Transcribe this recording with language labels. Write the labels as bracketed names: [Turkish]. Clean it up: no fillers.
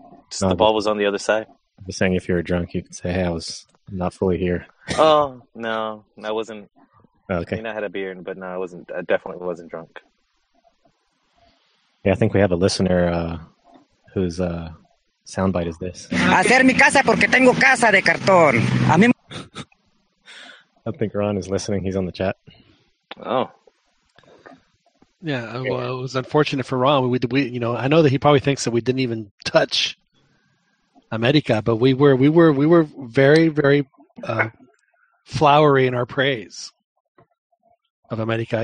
[English] Just no, the ball was on the other side. I was saying if you were drunk, you could say, hey, I was not fully here. Oh, no, I wasn't. Okay. I mean, I had a beer, but no, I wasn't. I definitely wasn't drunk. Yeah, I think we have a listener whose soundbite is this. [Spanish] Hacer mi casa porque tengo casa de cartón. [English] I think Ron is listening. He's on the chat. Oh. Yeah, well, it was unfortunate for Ron. We, you know, I know that he probably thinks that we didn't even touch America, but we were very, very flowery in our praise of America.